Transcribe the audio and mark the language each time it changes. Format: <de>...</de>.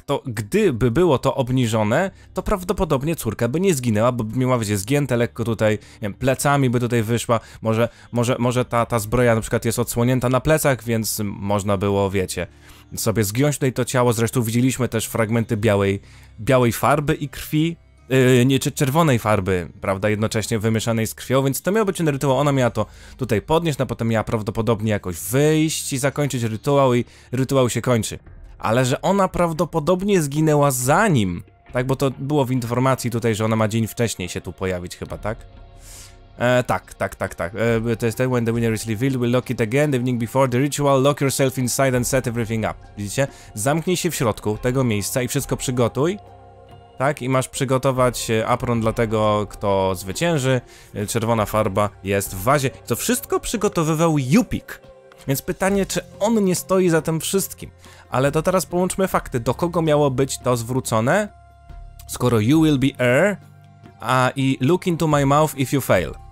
<pl>To gdyby było to obniżone, to prawdopodobnie córka by nie zginęła, bo by miała być zgięte lekko tutaj, nie wiem, plecami by tutaj wyszła, może ta zbroja na przykład jest odsłonięta na plecach, więc można było, wiecie, sobie zgiąć tutaj to ciało, zresztą widzieliśmy też fragmenty białej farby i krwi, czerwonej farby, prawda, jednocześnie wymieszanej z krwią, więc to miał być ten rytuał, ona miała to tutaj podnieść, a potem miała prawdopodobnie jakoś wyjść i zakończyć rytuał i rytuał się kończy. Ale że ona prawdopodobnie zginęła za nim, tak, bo to było w informacji tutaj, że ona ma dzień wcześniej się tu pojawić chyba, tak? Tak. To jest ten,</pl> <en>when the winner is revealed, we'll lock it again, the evening before the ritual, lock yourself inside and set everything up.</en> <pl>Widzicie? Zamknij się w środku tego miejsca i wszystko przygotuj, tak? I masz przygotować apron dla tego, kto zwycięży, czerwona farba jest w wazie. To wszystko przygotowywał Yupik. Więc pytanie, czy on nie stoi za tym wszystkim? Ale to teraz połączmy fakty. Do kogo miało być to zwrócone? Skoro</pl> <en>you will be heir, i look into my mouth if you fail.</en>